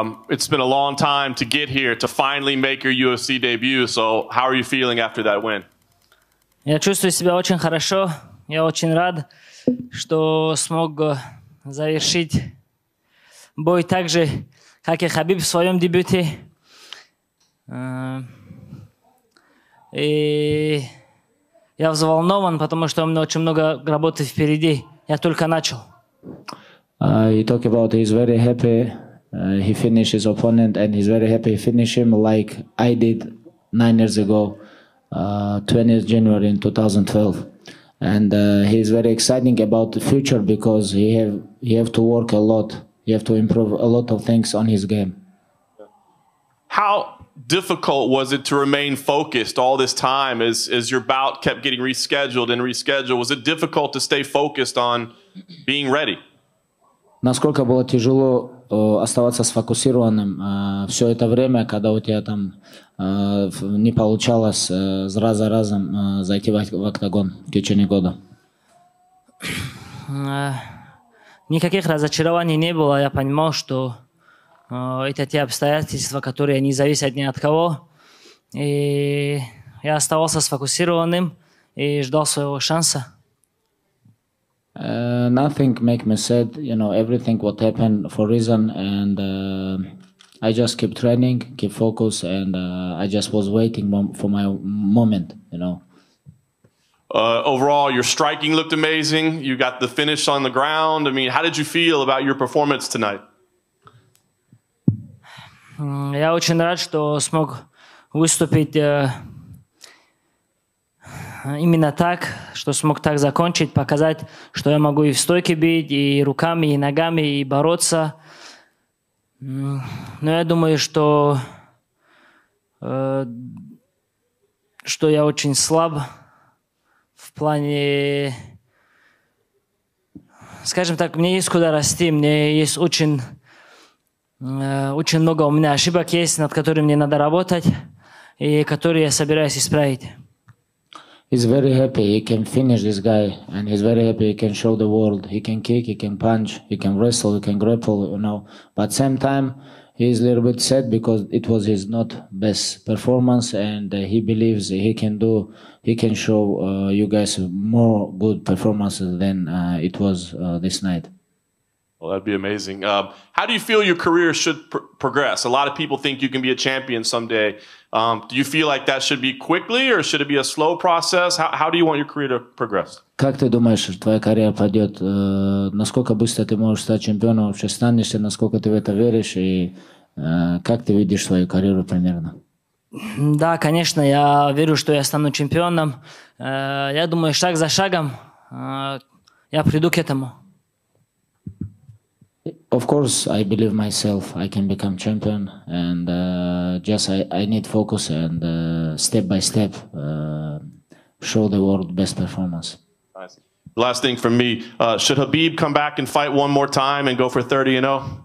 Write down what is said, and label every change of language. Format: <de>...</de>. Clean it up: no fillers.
<en>It's been a long time to get here to finally make your UFC debut. So how are you feeling after that win?</en> <ru>Я чувствую себя очень хорошо. Я очень рад, что смог завершить бой так же, как и Хабиб в своем дебюте. И я взволнован, потому что у меня очень много работы впереди. Я только начал.</ru> <en>He talked about he's very happy he finished his opponent, and he's very happy he finished him like I did 9 years ago, 20th January in 2012. And he's very exciting about the future because he have to work a lot. He have to improve a lot of things on his game. How difficult was it to remain focused all this time as your bout kept getting rescheduled and rescheduled? Was it difficult to stay focused on being ready?</en> <ru>Насколько было тяжело оставаться сфокусированным все это время, когда у тебя там не получалось раз за разом зайти в октагон в течение года? Никаких разочарований не было. Я понимал, что это те обстоятельства, которые не зависят ни от кого. И я оставался сфокусированным и ждал своего шанса.</ru> <en>Nothing make me sad, you know, everything what happened for a reason, and I just keep training, keep focus, and I just was waiting for my moment, you know. Overall, your striking looked amazing. You got the finish on the ground. I mean, how did you feel about your performance tonight?</en> <ru>Я очень рад, что смог выступить именно так, что смог так закончить, показать, что я могу и в стойке бить, и руками, и ногами, и бороться. Но я думаю, что я очень слаб в плане... Скажем так, мне есть куда расти, мне есть очень много у меня ошибок есть, над которыми мне надо работать, и которые я собираюсь исправить.</ru> <en>He's very happy he can finish this guy, and he's very happy he can show the world. He can kick, he can punch, he can wrestle, he can grapple, you know. But same time, he's a little bit sad because it was his not best performance, and he believes he can show you guys more good performances than it was this night. Well, that'd be amazing. How do you feel your career should progress? A lot of people think you can be a champion someday. Do you feel like that should be quickly, or should it be a slow process? How do you want your career to progress?</en> <ru>Как ты думаешь, твоя карьера пойдет? Насколько быстро ты можешь стать чемпионом, вообще станешь ли, насколько ты в это веришь, и как ты видишь свою карьеру примерно? Да, конечно, я верю, что я стану чемпионом. Я думаю, шаг за шагом я приду к этому.</ru> <en>Of course, I believe myself. I can become champion, and just I need focus and step by step show the world best performance. Nice. Last thing from me: should Khabib come back and fight one more time and go for 30-0?</en>